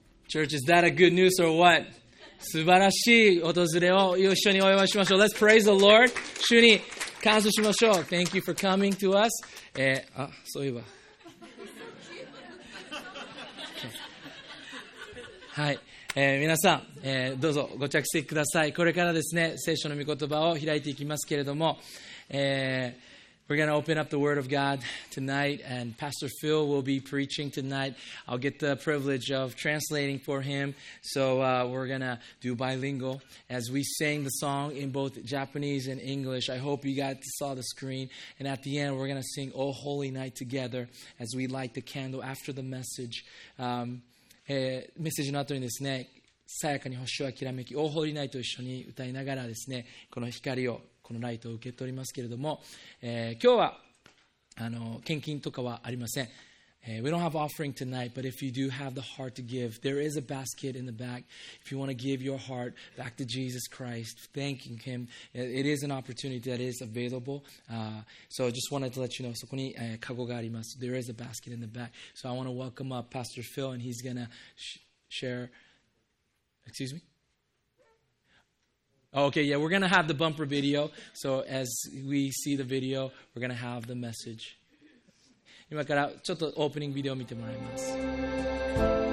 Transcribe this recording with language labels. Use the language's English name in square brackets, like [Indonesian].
[English] Church, is that a good news or what? [Japanese] 素晴らしい訪れを一緒にお祝いしましょう。 [English] Let's praise the Lord. [Japanese] 主に感謝しましょう。 [English] Thank you for coming to us. [Japanese] あ、そういえば。はい。皆さん、どうぞご着席ください。これからですね、聖書の御言葉を開いていきますけれども、 [English] We're going to open up the Word of God tonight, and Pastor Phil will be preaching tonight. I'll get the privilege of translating for him. So we're going to do bilingual as we sing the song in both Japanese and English. I hope you guys saw the screen. And at the end, we're going to sing O Holy Night together as we light the candle after the message. [Japanese] メッセージの後にですね、さやかに星をきらめき、O Holy Night と一緒に歌いながらですね、この光をこのライトを受け取りますけれども、今日は献金とかはありません。 [English] We don't have offering tonight, but if you do have the heart to give, there is a basket in the back. If you want to give your heart back to Jesus Christ, thanking Him, it is an opportunity that is available. So I just wanted to let you know, [Japanese] そこに、カゴがあります。 [English] There is a basket in the back. So I want to welcome up Pastor Phil, and he's going to share... Excuse me? Okay, yeah, we're going to have the bumper video. So as we see the video, we're going to have the message. [Japanese] 今からちょっとオープニングビデオ見てもらいます。